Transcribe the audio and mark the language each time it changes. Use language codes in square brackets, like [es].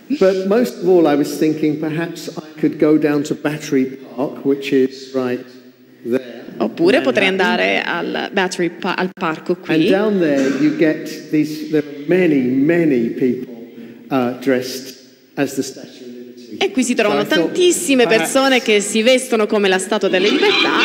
[en] But most of all I was thinking perhaps I could go down to Battery Park, which is right there. [it] Oppure potrei andare al Battery al parco qui. [en] And down there you get these, there are many, many people dressed as the Statue of Liberty. [it] E qui si trovano tantissime persone che si vestono come la Statua della Libertà.